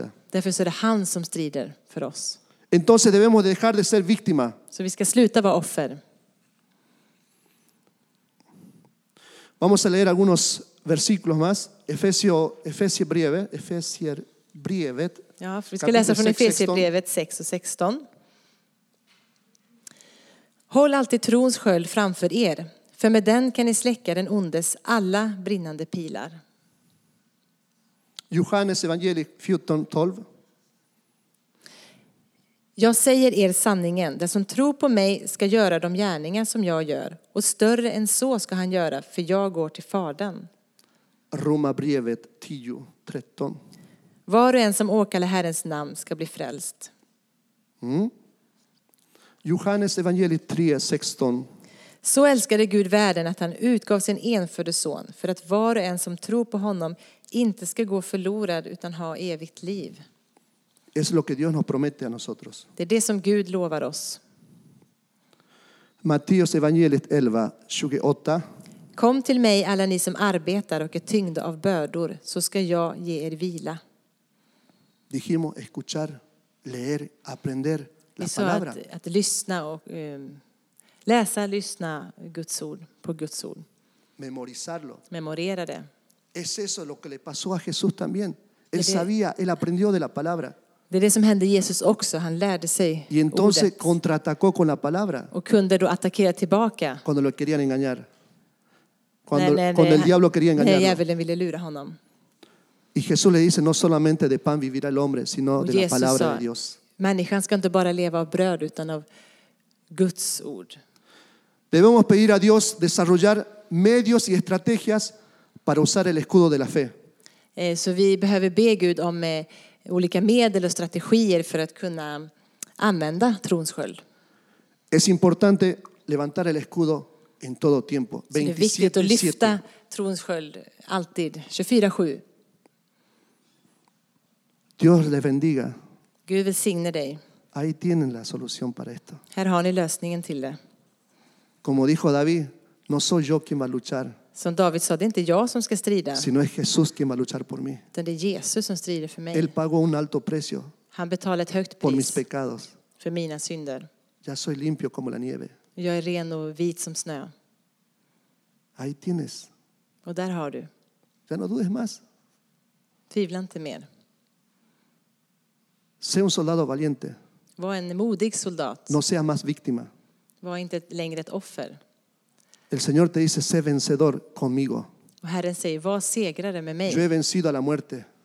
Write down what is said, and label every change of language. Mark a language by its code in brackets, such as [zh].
[sv] därför så är det han som strider för oss. [es] Entonces debemos dejar de ser víctima. [sv] Så vi ska sluta vara offer. [es] Vamos a leer algunos versículos más. [sv] Efesierbrevet. Ja, för vi ska läsa från Efesierbrevet 6 och 16. Håll alltid trons sköld framför er, för med den kan ni släcka den ondes alla brinnande pilar. Johannes evangeliet 14:12. Jag säger er sanningen, den som tror på mig ska göra de gärningar som jag gör, och större än så ska han göra, för jag går till Fadern. Romarbrevet 10:13. Var och en som åkallar Herrens namn ska bli frälst. Johannes evangeliet 3:16. Så älskade Gud världen att han utgav sin enfödde son, för att var och en som tror på honom inte ska gå förlorad utan ha evigt liv. [es] Es lo que Dios nos promete a nosotros. [sv] Det är det som Gud lovar oss. Matteus evangeliet 11:28. Kom till mig alla ni som arbetar och är tyngda av bördor, så ska jag ge er vila. [es] Dijimos escuchar, leer, aprender la palabra. [sv] Vi sa att lyssna och läsa, lyssna Guds ord, på Guds ord. [es] Memorizarlo. [sv] Memorera det. [es] Es eso lo que le pasó a Jesús también. Él sabía, él aprendió de la palabra. [sv] Det är det som hände Jesus också. Han lärde sig [es] y entonces ordet. Contraatacó con la palabra. [sv] Och kunde då attackera tillbaka. [es] Cuando lo querían engañar. Cuando el diablo quería engañarlo. [sv] När djävulen ville lura honom. [es] Y Jesús le dice, no solamente de pan vivirá el hombre, sino de la palabra de Dios. [sv] Människan ska inte bara leva av bröd utan av Guds ord. [es] Debemos pedir a Dios desarrollar medios y estrategias para usar el escudo de la fe. [sv] Så vi behöver be Gud om olika medel och strategier för att kunna använda trons sköld. [es] Es importante levantar el escudo en todo tiempo. [sv] Så det är viktigt att lyfta trons sköld alltid 24/7. [es] Dios les bendiga. [sv] Gud välsigne dig. [es] Ahí tienen la solución para esto. [sv] Här har ni lösningen till det. [es] Como dijo David, no soy yo quien va a luchar. [sv] Som David sa, det är inte jag som ska strida. [es] Sino es Jesús quien va a luchar por mí. [sv] Utan det är Jesus som strider för mig. [es] Él pagó un alto precio. [sv] Han betalade ett högt pris. [es] Por mis pecados. [sv] För mina synder. [es] Ya soy limpio como la nieve. [sv] Jag är ren och vit som snö. [es] Ahí tienes. [sv] Och där har du. [es] Ya no dudes más. [sv] Tvivla inte mer. [es] Sé un soldado valiente. [sv] Var en modig soldat. [es] No sea más víctima. [sv] Var inte längre ett offer. [es] El Señor te dice, sé vencedor conmigo. [sv] Och Herren säger, var segrare med mig. [es] Yo he vencido a la muerte.